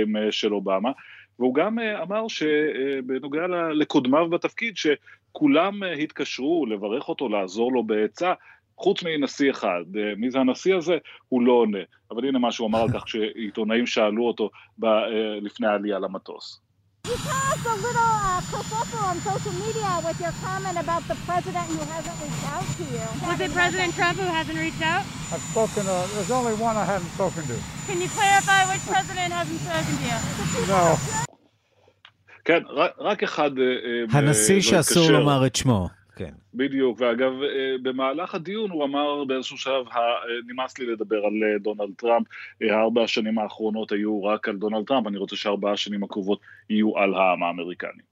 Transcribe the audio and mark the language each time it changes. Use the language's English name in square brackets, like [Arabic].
[Hebrew] של אובמה, והוא גם אמר שבנוגע לקודמיו בתפקיד ש כולם התקשרו לברך אותו, לעזור לו בעצה, חוץ מנשיא אחד. מי זה הנשיא הזה? הוא לא עונה. אבל הנה מה שהוא אמר על כך שעיתונאים שאלו אותו לפני העלייה למטוס. [English] You caused a little kerfuffle on social media with your comment about the president who hasn't reached out to you. Was it President Trump who hasn't reached out? I've spoken to, there's only one I haven't spoken to. Can you clarify which president hasn't spoken to you? No. [Hebrew] כן, רק אחד הנשיא שאסור לומר את שמו, כן. בדיוק, ואגב, במהלך הדיון הוא אמר באיזשהו שלב, נמאס לי לדבר על דונלד טראמפ, 4 השנים האחרונות היו רק על דונלד טראמפ, אני רוצה ש4 השנים הקרובות יהיו על העם האמריקני.